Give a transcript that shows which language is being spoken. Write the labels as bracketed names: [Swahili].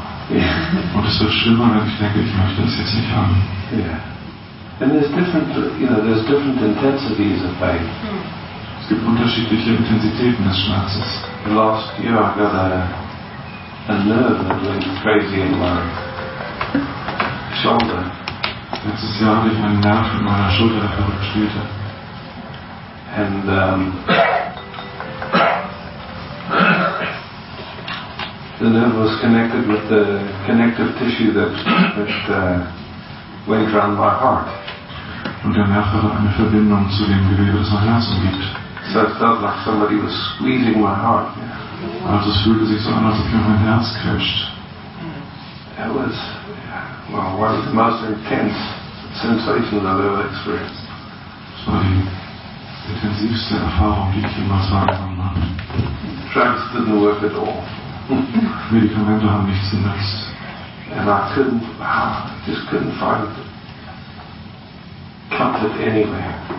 [German] Und es wird schlimmer, wenn ich denke, ich möchte es jetzt nicht haben. [English] Yeah. And there's different, you know, there's different intensities of pain. [German] Es gibt unterschiedliche Intensitäten des Schmerzes. [English] Last year I got a nerve that went crazy in my shoulder. [German] Letztes Jahr hatte ich einen Nerv in meiner Schulter, der verrückt spielte. [English] And the nerve was connected with the connective tissue that went around my heart. [German] Und der Nerv hatte eine Verbindung zu dem Gewebe, das mein Herz umgibt. [English] So it felt like somebody was squeezing my heart. Yeah. [German] Also es fühlte sich so an, als ob mir mein Herz quetscht. [English] It was, yeah, well, one of the most intense sensations I've ever experienced. [German] Es war die intensivste Erfahrung, die ich jemals wahrgenommen habe. [English] Drugs didn't work at all. [German] Medikamente haben nichts genutzt. [English] And I couldn't, just couldn't find comfort anywhere.